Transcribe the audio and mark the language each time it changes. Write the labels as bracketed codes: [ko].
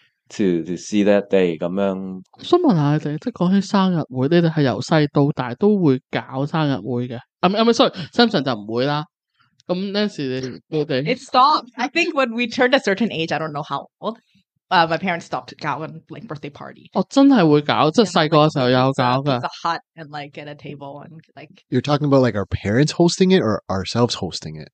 [en] to see that day 咁样。 [yue] 想问下你哋，即系讲起生日会，你哋系由细到大都会搞生日会嘅？ Samson 就唔会啦。咁 Nancy 你哋 [en] ，It stopped. I think when we turned a certain age, I don't know how old, my parents stopped having like birthday party. [yue] 我真系会搞，即系细个嘅时候有搞噶。 [en] It's a hut and like get a table and like. You're talking about like our parents hosting it or ourselves hosting it?